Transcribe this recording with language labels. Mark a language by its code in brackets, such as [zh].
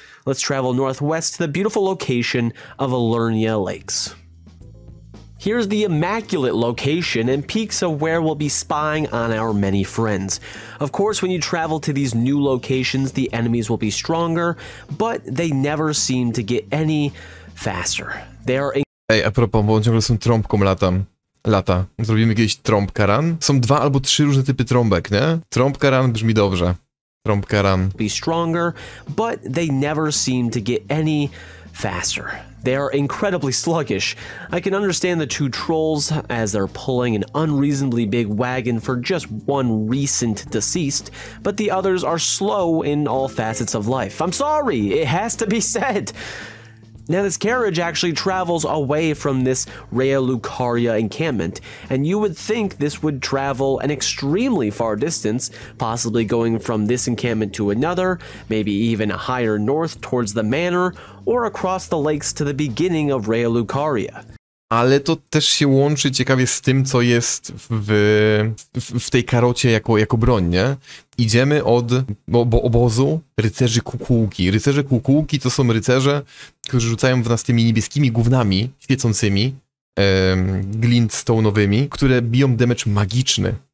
[en] Let's travel northwest to the beautiful location of Alurnia Lakes. Here's the immaculate location and peaks of where we'll be spying on our many friends. Of course, when you travel to these new locations, the enemies will be stronger, but they never seem to get any faster. They are [pl] Ej, a propos, bo on ciągle z tą trąbką lata. Zrobimy jakieś trąbka run? Są dwa albo trzy różne typy trąbek, nie? Trąbka run brzmi dobrze. Trąbka run. [en] Be stronger, but they never seem to get any faster. They are incredibly sluggish. I can understand the two trolls as they're pulling an unreasonably big wagon for just one recent deceased, but the others are slow in all facets of life. I'm sorry, it has to be said. Now this carriage actually travels away from this Rhea Lucaria encampment, and you would think this would travel an extremely far distance, possibly going from this encampment to another, maybe even higher north towards the manor, or across the lakes to the beginning of Rhea Lucaria. [pl] Ale to też się łączy ciekawie z tym, co jest w tej karocie jako broń, nie? Idziemy od obozu rycerzy kukułki. Rycerze kukułki to są rycerze, którzy rzucają w nas tymi niebieskimi gównami świecącymi, glintstone'owymi, które biją damage magiczny.